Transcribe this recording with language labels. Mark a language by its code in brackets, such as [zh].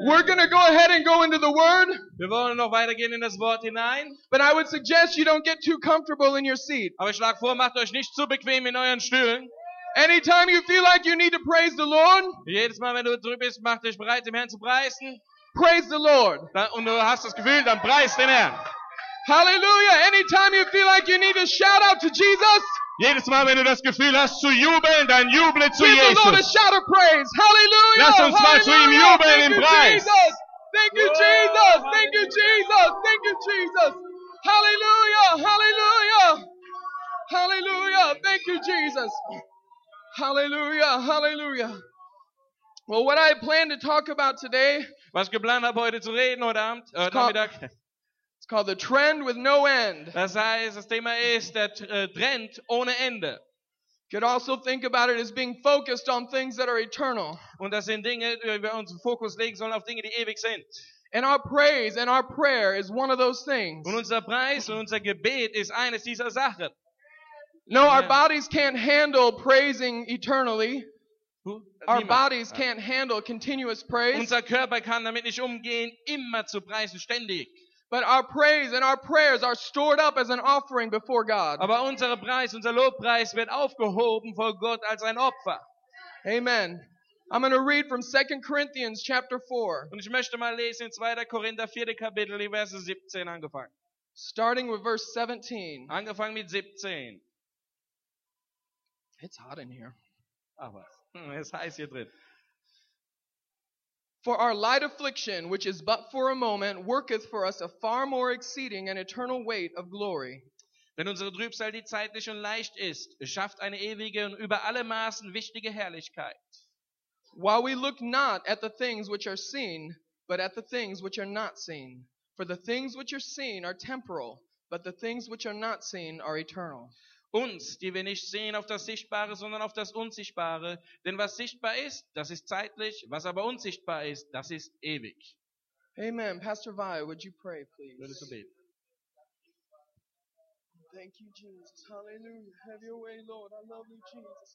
[en] We're going to go ahead and go into the Word. [de] Wir wollen noch weitergehen in das Wort hinein. [en] But I would suggest you don't get too comfortable in your seat. [de] Aber ich schlage vor, macht euch nicht zu bequem in euren Stühlen. [en] Anytime you feel like you need to praise the Lord, [de] jedes Mal, wenn du drüber bist, mach dich bereit, dem Herrn zu preisen. [en] Praise the Lord. [de] Und du hast das Gefühl, dann preist den Herrn. Hallelujah. [en] Anytime you feel like you need to shout out to Jesus, [de] jedes Mal, wenn du das Gefühl hast zu jubeln, dann juble zu [en] give Jesus. Give the Lord a shout of praise. Hallelujah. [de] Lass uns hallelujah. Mal zu ihm jubeln im Preis. [en] Jesus. Thank you, Jesus. Thank you, Jesus. Thank you, Jesus. Hallelujah. Hallelujah. Hallelujah. Thank you, Jesus. Hallelujah. Hallelujah. Well, what I plan to talk about today, [de] was geplant habe heute zu reden heute Abend, Nachmittag. [en] It's called the trend with no end. [de] Das heißt, das Thema ist der Trend ohne Ende. [en] Could also think about it as being focused on things that are eternal. [de] Und das sind Dinge, die wir uns Fokus legen sollen auf Dinge, die ewig sind. [en] And our praise and our prayer is one of those things. [de] Und unser Preis und unser Gebet ist eines dieser Sachen. [en] No, our bodies can't handle praising eternally. Our bodies can't handle continuous praise. [de] Unser Körper kann damit nicht umgehen, immer zu preisen, ständig. [en] But our praise and our prayers are stored up as an offering before God. [de] Aber unser Preis, unser Lobpreis wird aufgehoben vor Gott als ein Opfer. Amen. [en] I'm going to read from 2 Corinthians chapter 4. [de] Und ich möchte mal lesen in 2. Korinther 4. Kapitel, die Verse 17 angefangen. [en] Starting with verse 17. [de] Angefangen mit 17. [en] It's hot in here. [de] Aber es heiß hier drin. [en] For our light affliction, which is but for a moment, worketh for us a far more exceeding and eternal weight of glory. [de] Denn unsere Trübsal, die zeitlich und leicht ist, schafft eine ewige und über alle Maßen wichtige Herrlichkeit. [en] While we look not at the things which are seen, but at the things which are not seen. For the things which are seen are temporal, but the things which are not seen are eternal. [de] Uns, die wir nicht sehen auf das Sichtbare, sondern auf das Unsichtbare. Denn was sichtbar ist, das ist zeitlich. Was aber unsichtbar ist, das ist ewig. Amen. [en] Pastor Vi, would you pray, please? [de] Würdest du beten? [en] Thank you, Jesus. Hallelujah. Have your way, Lord. I love you, Jesus.